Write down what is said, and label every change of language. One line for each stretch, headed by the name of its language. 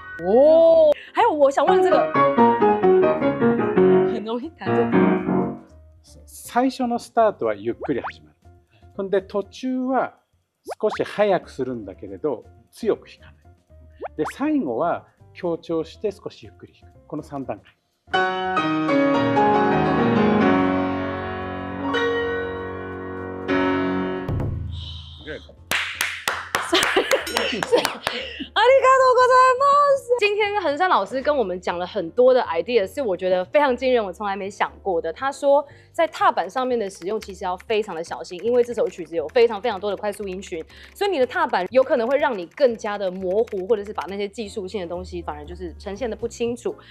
Chinese: おお、还有我想问这个，很容易弹奏。
Japanese: 最初のスタートはゆっくり始まる。ほんで途中は少し速くするんだけれど強く弾かない。で最後は強調して少しゆっくり弾く。この3段階。
English: Good.
Japanese: ありがとうございます。
Chinese: 今天恒山老师跟我们讲了很多的 idea， 是我觉得非常惊人，我从来没想过的。他说在踏板上面的使用其实要非常的小心，因为这首曲子有非常非常多的快速音群，所以你的踏板有可能会让你更加的模糊，或者是把那些技术性的东西反而就是呈现的不清楚。